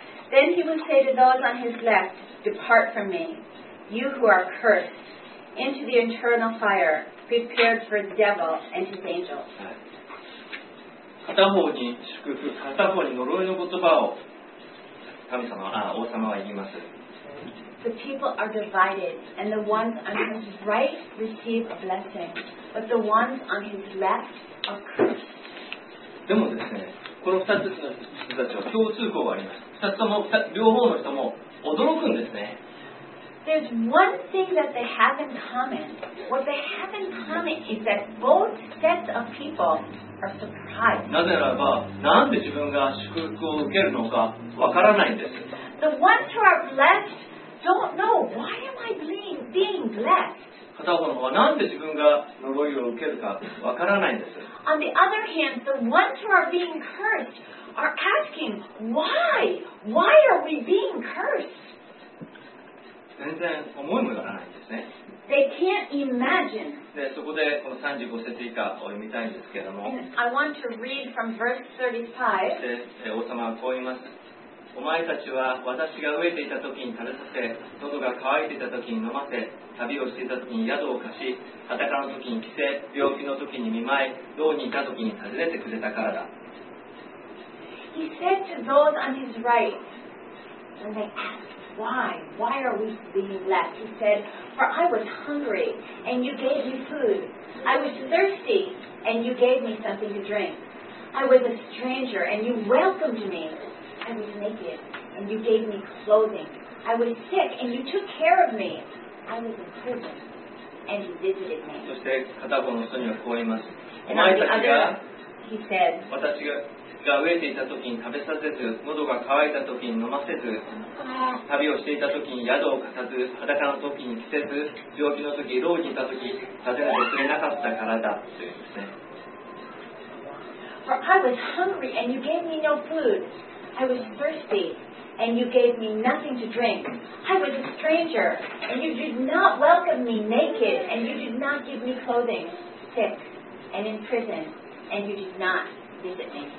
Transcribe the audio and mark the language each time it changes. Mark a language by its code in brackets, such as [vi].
[en] Then he will say to those on his left, Depart from me, you who are cursed, into the eternal fire, prepared for the devil and his angels. [ja] 片方に祝福、片方に呪いの言葉を神様、王様は言います。 [en] The people are divided, and the ones on his right receive a blessing, but the ones on his left are cursed. [ja] でもですね、この二つの人たちは共通項があります。二つとも、両方の人も驚くんですね。 [en] There's one thing that they have in common. What they have in common is that both sets of people are surprised. [ja] なぜならば、なんで自分が祝福を受けるのかわからないんです。 [en] The ones who are blessed don't know why am I being blessed. [ja] 片方の方はなんで自分が呪いを受けるかわからないんです。 [en] On the other hand, the ones who are being cursed are asking, why? Why are we being cursed? [ja] 全然思いもよらないんですね。 [en] They can't imagine. [ja] で、そこでこの35節以下を読みたいんですけども。 [en] I want to read from verse 35. [ja] 王様はこう言います。お前たちは私が飢えていた時に食べさせ、喉が渇いていた時に飲ませ、旅をしていた時に宿を貸し、裸の時に着せ、病気の時に見舞い、牢にいた時に訪ねてくれたからだ。 [en] He said to those on his right, when they asked, why are we being blessed? He said, for I was hungry, and you gave me food. I was thirsty, and you gave me something to drink. I was a stranger, and you welcomed me. I was naked, and you gave me clothing. I was sick, and you took care of me. I was in prison, and you visited me. [ja] そして片方の人にはこう言います。 [en] And on the other, he said, [ja] 私が飢えていた時に食べさせず、喉が渇いた時に飲ませず、旅をしていた時に宿を貸さず、裸の時に着せず、病気の時、牢にいた時、訪ねてくれなかったからだ。 [en] For I was hungry, and you gave me no food. I was thirsty, and you gave me nothing to drink. I was a stranger, and you did not welcome me naked, and you did not give me clothing. Sick, and in prison, and you did not visit me.